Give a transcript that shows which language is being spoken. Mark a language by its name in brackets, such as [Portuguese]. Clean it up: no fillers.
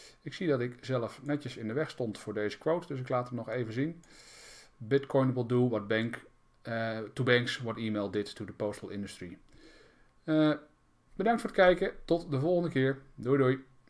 [Dutch] Ik zie dat ik zelf netjes in de weg stond voor deze quote, dus ik laat hem nog even zien. [English] Bitcoin will do what bank... to banks what email did to the postal industry. [Dutch] Bedankt voor het kijken. Tot de volgende keer. Doei doei.